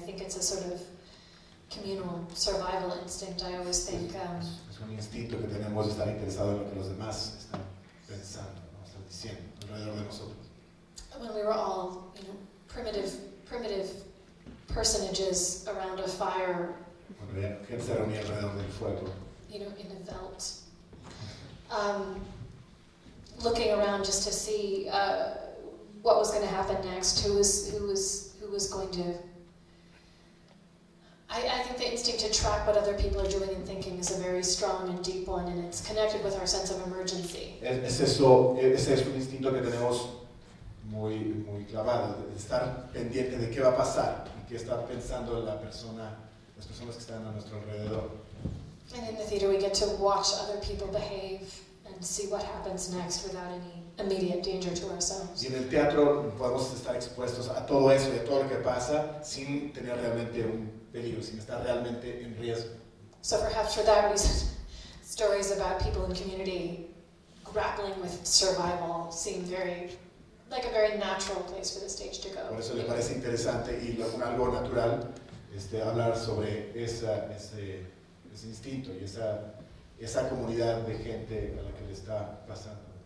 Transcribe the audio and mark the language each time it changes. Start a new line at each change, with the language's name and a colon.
English: I think it's a sort of communal survival instinct. I always think.
Spanish: Es un instinto que tenemos estar interesado en lo que los demás están pensando, ¿no? Están diciendo alrededor de nosotros.
English: When we were all, primitive personages around a fire.
Spanish: Cuando gente se reunía alrededor del fuego.
English: In a veldt. Looking around just to see what was going to happen next, who was going to. I think the instinct to track what other people are doing and thinking is a very strong and deep one, and it's connected with our sense of emergency.
Spanish: Ese es un instinto que tenemos muy muy clavado, de estar pendiente de qué va a pasar y qué está pensando las personas que están a nuestro alrededor.
English: And in the theater, we get to watch other people behave. And see what happens next without any immediate danger to ourselves.
Spanish: Y en el teatro podemos estar expuestos a todo eso y a todo lo que pasa sin tener realmente un peligro, sin estar realmente en riesgo.
English: So perhaps for that reason, stories about people in community grappling with survival seem very natural place for the stage to go.
Spanish: Por eso le parece interesante y algo natural hablar sobre ese instinto y esa comunidad de gente a la que le está pasando.